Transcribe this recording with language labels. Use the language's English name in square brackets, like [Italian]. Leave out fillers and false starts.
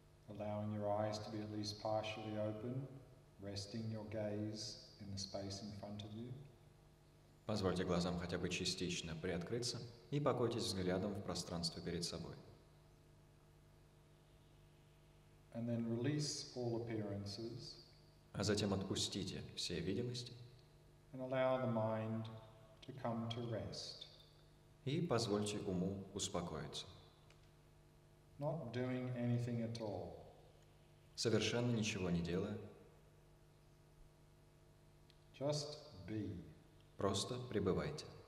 [English] allowing your eyes to be at least partially open, resting your gaze in the space in front of you. [Russian] Позвольте глазам хотя бы частично приоткрыться и покойтесь взглядом в пространство перед собой. [English] And then release all appearances. [Russian] А затем отпустите все видимости. [English] And allow the mind to come to rest. [Russian] И позвольте уму успокоиться. [English] Not doing anything at all. [Russian] Совершенно ничего не делая. [English] Just be. [Russian] Просто пребывайте.